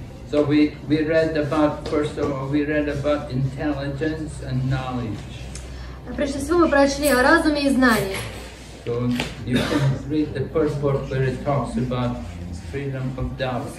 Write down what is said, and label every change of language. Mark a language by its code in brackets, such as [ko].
[en] So we read about, first of all, we read about intelligence and knowledge. [ru] Прежде всего мы прочли о разуме и знании. [en] So you can read the first part where it talks about freedom of doubt.